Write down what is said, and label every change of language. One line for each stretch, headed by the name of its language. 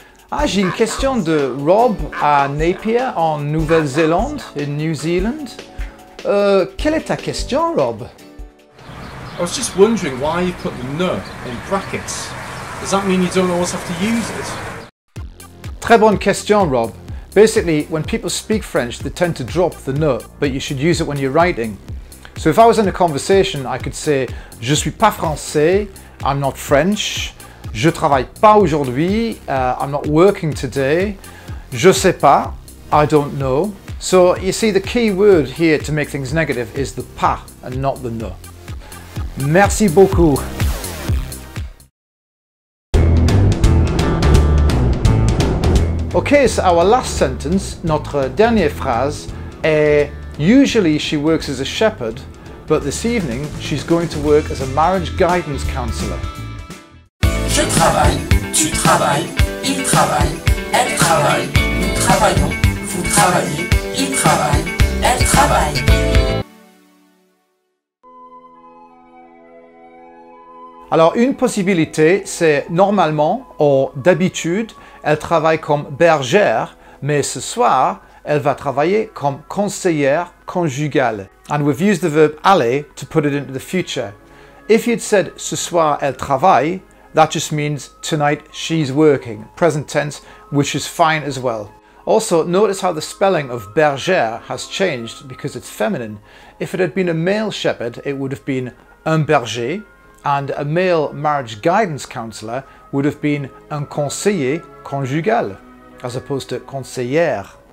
French: Ah, j'ai une question de Rob à Napier en Nouvelle-Zélande,
English: in New Zealand.
French: Quelle est ta question, Rob?
English: I was just wondering why you put the ne in brackets. Does that mean you don't always have to use it?
French: Très bonne question, Rob.
English: Basically, when people speak French, they tend to drop the ne, but you should use it when you're writing. So if I was in a conversation, I could say,
French: je suis pas français,
English: I'm not French,
French: je travaille pas aujourd'hui,
English: I'm not working today,
French: je sais pas,
English: I don't know. So you see, the key word here to make things negative is the pas and not the ne.
French: Merci beaucoup.
English: Okay, so our last sentence,
French: notre dernière phrase, est
English: usually she works as a shepherd, but this evening, she's going to work as a marriage guidance counselor.
French: Je travaille, tu travailles, il travaille, elle travaille. Nous travaillons, vous travaillez, il travaille, elle travaille. Alors, une possibilité, c'est normalement, ou d'habitude, elle travaille comme bergère, mais ce soir, elle va travailler comme conseillère conjugale.
English: And we've used the verb aller to put it into the future. If you'd said
French: ce soir elle travaille,
English: that just means tonight she's working, present tense, which is fine as well. Also, notice how the spelling of bergère has changed because it's feminine. If it had been a male shepherd, it would have been un berger, and a male marriage guidance counselor would have been
French: un conseiller conjugal,
English: as opposed to conseillère.